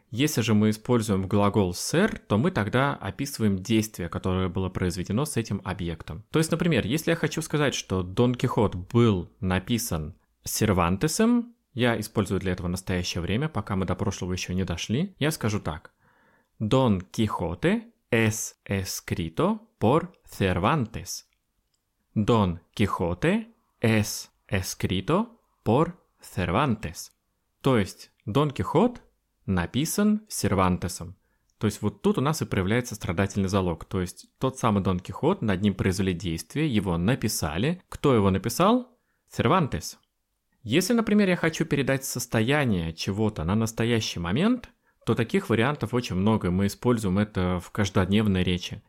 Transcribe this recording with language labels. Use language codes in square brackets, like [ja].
[ru] Если же мы используем глагол ser, то мы тогда описываем действие, которое было произведено с этим объектом. То есть, например, если я хочу сказать, что Дон Кихот был написан Сервантесом, я использую для этого настоящее время, пока мы до прошлого еще не дошли. Я скажу так. [es] Дон Кихоте es escrito por Cervantes. Дон Кихоте es escrito por Cervantes. [ru] То есть Дон Кихот написан Сервантесом. То есть вот тут у нас и проявляется страдательный залог. То есть тот самый Дон Кихот, над ним произвели действие, его написали. Кто его написал? Сервантес. Если, например, я хочу передать состояние чего-то на настоящий момент, то таких вариантов очень много, и мы используем это в каждодневной речи.